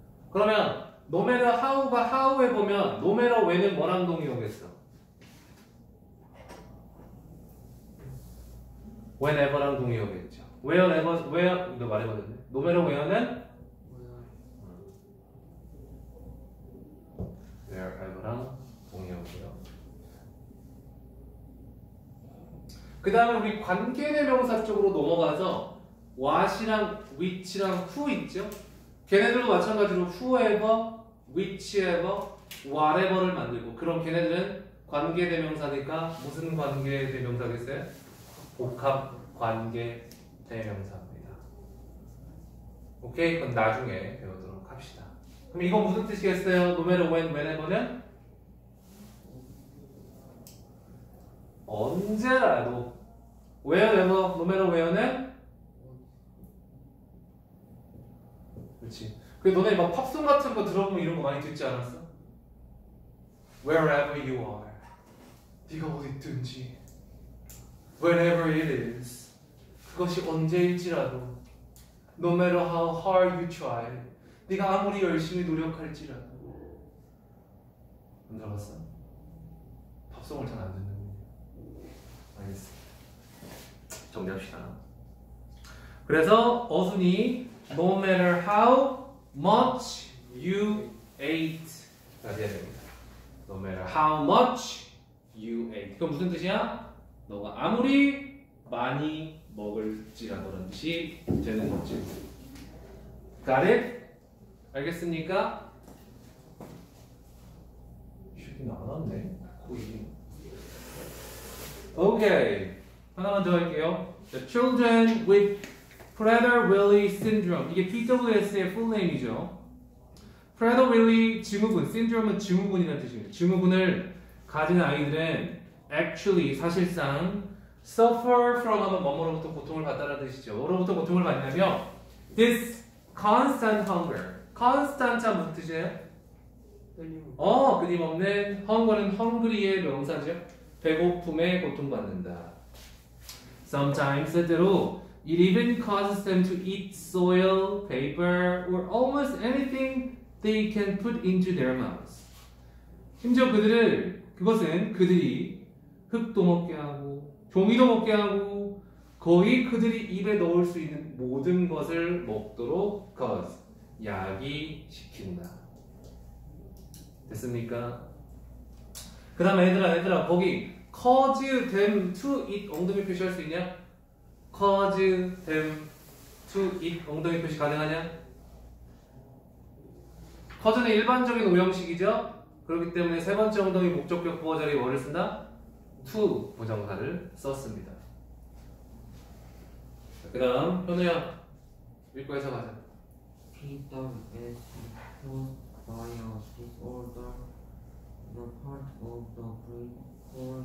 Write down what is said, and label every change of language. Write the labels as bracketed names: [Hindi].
[Korean] 그러면 no matter how가 how에 보면 no matter when은 뭐랑 동의하겠어? whenever랑 동의어겠죠. where 너 말해봤는데. no matter where는 wherever랑 동의어고요. 그 다음에 우리 관계대명사 쪽으로 넘어가서 what이랑 which랑 who 있죠. 걔네들도 마찬가지로 whoever, whichever, whatever를 만들고 그럼 걔네들은 관계대명사니까 무슨 관계대명사겠어요? 복합 관계 대명사입니다. 오케이, 그건 나중에 배우도록 합시다. 그럼 이건 무슨 뜻이겠어요? [English] no matter when, whenever는? [Korean] 언제라도. wherever, no matter where는? 그렇지. 근데 너네 막 팝송 같은 거 들어보면 이런 거 많이 듣지 않았어? [English] wherever you are, [Korean] 네가 어디 있든지, [English] whenever it is, [Korean] 그것이 언제일지라도, [English] no matter how hard you try, [Korean] 네가 아무리 열심히 노력할지라도. 안 들어봤어? 팝송을 잘 안 듣는 거. 알겠습니다. 정리합시다. 그래서 어순이 [English] no matter how much you ate [Korean] 다시 해야 됩니다. [English] No matter how much you ate [Korean] 그건 무슨 뜻이야? 너가 아무리 많이 먹을지라든지 되는 거지. [English] Got it? [Korean] 알겠습니까? 쉽게 나왔네. 거의. 오케이. 하나만 더 할게요. [English] The children with Prader-Willi syndrome. [Korean] 이게 PWS의 full name이죠. Prader-Willi 증후군. Syndrome은 증후군이라는 뜻입니다. 증후군을 가진 아이들은 actually 사실상 [English] suffer from [Korean] 하면 뭐뭐로부터 고통을 받다라는 뜻이죠. 뭐로부터 고통을 받냐면 [English] this constant hunger. [Korean] Constant은 무슨 뜻이에요? 끊임없는 hunger은 hungry의 명사죠. 배고픔에 고통받는다. [English] Sometimes [Korean] 때로 [English] it even causes them to eat soil, paper, or almost anything they can put into their mouths. [Korean] 심지어 그들을 그것은 그들이 흙도 먹게 하고 종이도 먹게 하고 거의 그들이 입에 넣을 수 있는 모든 것을 먹도록 cause 약이 시킨다. 됐습니까? 그 다음에 얘들아 거기 [English] cause them to eat [Korean] 엉덩이 표시할 수 있냐? [English] cause them to eat [Korean] 엉덩이 표시 가능하냐? cause는 일반적인 오형식이죠? 그렇기 때문에 세 번째 엉덩이 목적격 부호 자리에 뭐를 쓴다? to 부정사를 썼습니다. 그 다음 현우야 읽고 해석하자. [English] PWS caused by a disorder the part of the brain